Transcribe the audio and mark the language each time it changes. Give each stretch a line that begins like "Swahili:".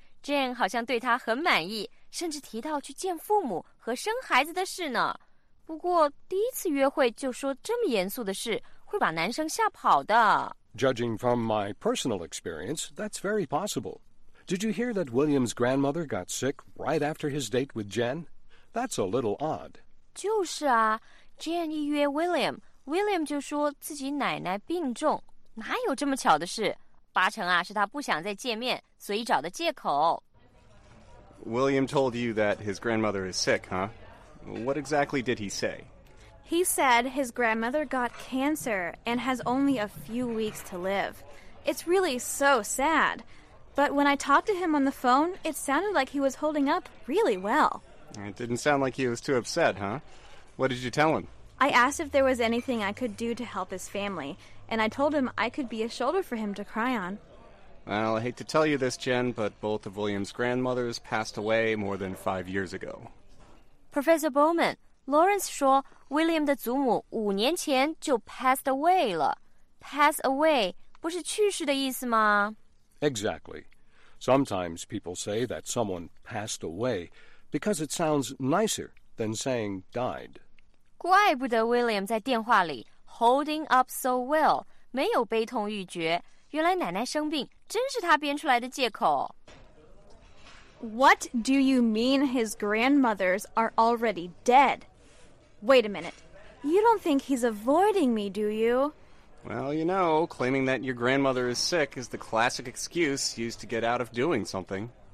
Chinese: Jen 好像对他很满意，甚至提到去见父母和生孩子的事呢。不过第一次约会就说这么严肃的事，会把男生吓跑的。
English: Judging from my personal experience, that's very possible. Did you hear that William's grandmother got sick right after his date with Jen? That's a little odd.
Chinese: 就是啊 ,Jen 一约 William, William 就说自己奶奶病重。哪有这么巧的事？八成啊，是他不想再见面，所以找的借口。
English: William told you that his grandmother is sick, huh? What exactly did he say? He said his grandmother got cancer and has only a few weeks to live. It's really so sad. But when I talked to him on the phone, it sounded like he was holding up really well. It didn't sound like he was too upset, huh? What did you tell him? I asked if there was anything I could do to help his family, and I told him I could be a shoulder for him to cry on. Well, I hate to tell you this, Jen, but both of William's grandmothers passed away more than 5 years ago.
Chinese: Professor Bowman, Lawrence 说William 的祖母五年前就 passed away 了。 Pass away 不是去世的意思吗？
English: Exactly. Sometimes people say that someone passed away because it sounds nicer than saying died.
Chinese: 怪不得 William 在电话里
English: holding up so well,
Chinese: 没有悲痛欲绝。原来奶奶生病真是他编出来的借口。
English: What do you mean his grandmothers are already dead? Wait a minute. You don't think he's avoiding me, do you? Well, you know, claiming that your grandmother is sick is the classic excuse used to get out of doing something.